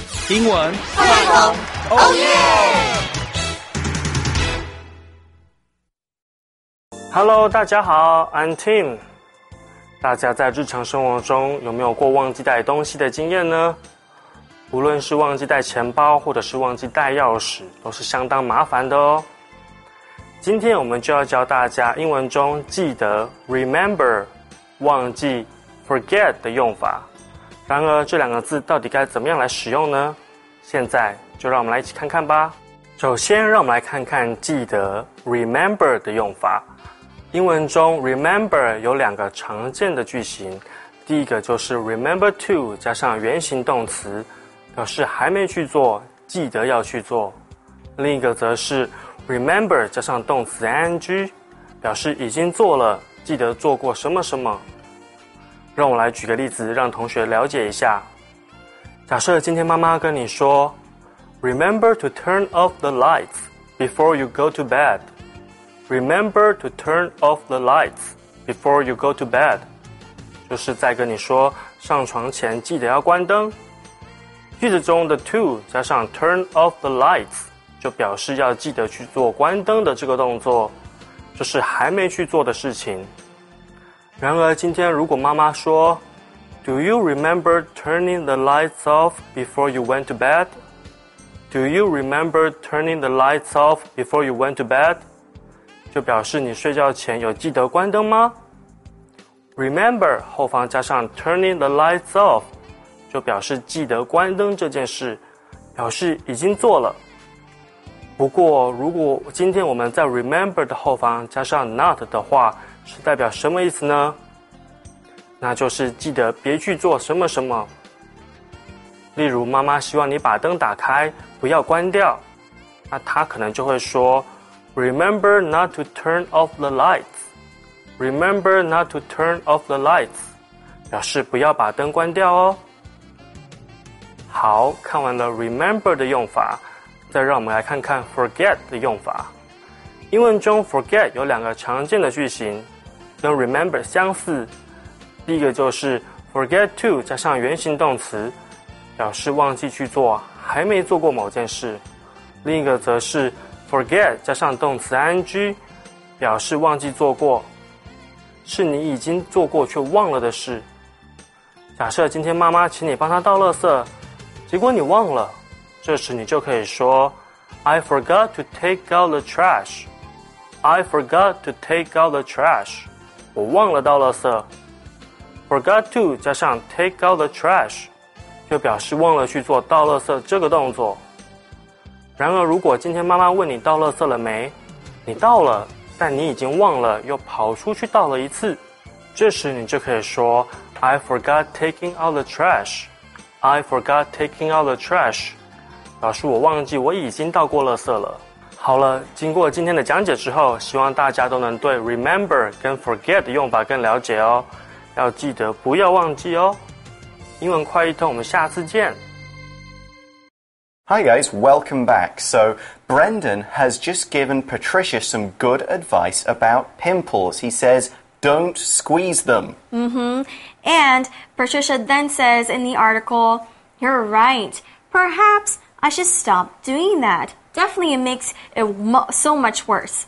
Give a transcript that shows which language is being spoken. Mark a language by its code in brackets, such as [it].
[zh] 英文快译通 [en] ，Oh yeah！ Hello， [zh] 大家好 [en] ，I'm Tim。 [zh] 大家在日常生活中有没有过忘记带东西的经验呢？无论是忘记带钱包，或者是忘记带钥匙，都是相当麻烦的哦。今天我们就要教大家英文中记得 remember 忘记 forget 的用法。然而，这两个字到底该怎么样来使用呢？现在就让我们来一起看看吧。首先，让我们来看看记得 remember 的用法。英文中 remember 有两个常见的句型，第一个就是 remember to 加上原形动词，表示还没去做，记得要去做。另一个则是 remember 加上动词 ing， 表示已经做了，记得做过什么什么。让我来举个例子，让同学了解一下。假设今天妈妈跟你说 ， [en] Remember to turn off the lights before you go to bed。 Remember to turn off the lights before you go to bed， [zh] 就是在跟你说上床前记得要关灯。句子中的 to 加上 [en] turn off the lights， [zh] 就表示要记得去做关灯的这个动作，就是还没去做的事情。然而今天如果妈妈说 [en] Do you remember turning the lights off before you went to bed? Do you remember turning the lights off before you went to bed? [zh] 就表示你睡觉前有记得关灯吗？Remember 后方加上 [en] turning the lights off， [zh] 就表示记得关灯这件事，表示已经做了。不过如果今天我们在 remember 的后方加上 not 的话，是代表什么意思呢？那就是记得别去做什么什么。例如妈妈希望你把灯打开不要关掉，那她可能就会说 [en] Remember not to turn off the lights. Remember not to turn off the lights. [zh] 表示不要把灯关掉哦。好，看完了 remember 的用法，再让我们来看看 forget 的用法。英文中 forget 有两个常见的句型，跟 remember 相似。第一个就是 forget to 加上原形动词，表示忘记去做，还没做过某件事。另一个则是Forget 加上动词 ing， 表示忘记做过，是你已经做过却忘了的事。假设今天妈妈请你帮她倒垃圾，结果你忘了，这时你就可以说 [en] I forgot to take out the trash. I forgot to take out the trash. [zh] 我忘了倒垃圾。 [en] Forgot to [zh] 加上 [en] take out the trash， [zh] 就表示忘了去做倒垃圾这个动作。然而如果今天妈妈问你倒垃圾了没，你倒了但你已经忘了又跑出去倒了一次，这时你就可以说 [en] I forgot taking out the trash. I forgot taking out the trash， [zh] 表示我忘记我已经倒过垃圾了。好了，经过今天的讲解之后，希望大家都能对 remember 跟 forget 的用法更了解哦，要记得不要忘记哦。英文快译通，我们下次见。 [en] Hi guys, welcome back. So, Brendan has just given Patricia some good advice about pimples. He says, don't squeeze them. Mm-hmm. And Patricia then says in the article, you're right. Perhaps I should stop doing that. Definitely it makes it so much worse.